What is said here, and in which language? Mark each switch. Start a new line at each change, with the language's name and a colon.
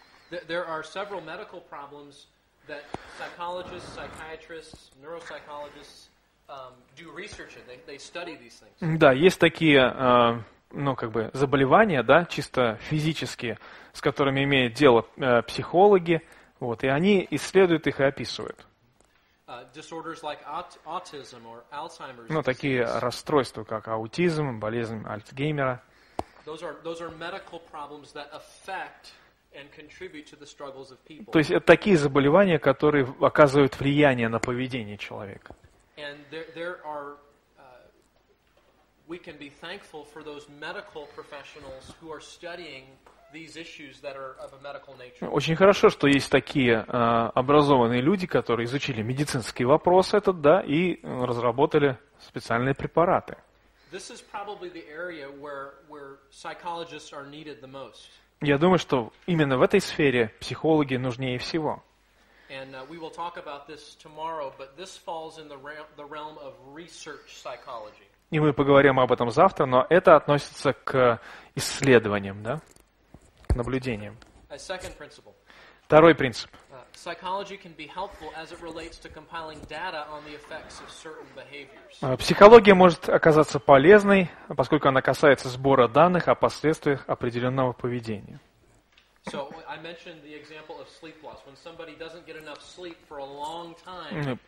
English: There are several medical problems that psychologists, psychiatrists, neuropsychologists do research in. They study these things.
Russian: Да, есть такие, заболевания, да, чисто физические, с которыми имеют дело психологи, вот, и они исследуют их и описывают.
English: Disorders like autism or Alzheimer's.
Russian: Такие расстройства, как аутизм, болезнь Альцгеймера.
English: Those are medical problems that affect and contribute to the struggles of people.
Russian: То есть это такие заболевания, которые оказывают влияние на поведение человека.
English: And there are we can be thankful for those medical professionals who are studying these issues that are of a medical nature.
Russian: Очень хорошо, что есть такие образованные люди, которые изучили медицинский вопрос этот, да, и разработали специальные препараты.
English: This is probably the area where psychologists are needed the most.
Russian: Я думаю, что именно в этой сфере психологи нужнее всего.
English: And we will talk about this tomorrow, but this falls in the realm of research psychology.
Russian: И мы поговорим об этом завтра, но это относится к исследованиям, да? К наблюдениям.
English: A second principle.
Russian: Второй принцип.
English: Psychology can be helpful as it relates to compiling data on the effects of certain behaviors.
Russian: Психология может оказаться полезной, поскольку она касается сбора данных о последствиях определенного поведения.
English: So I mentioned the example of sleep loss. When somebody doesn't get enough sleep for a long time,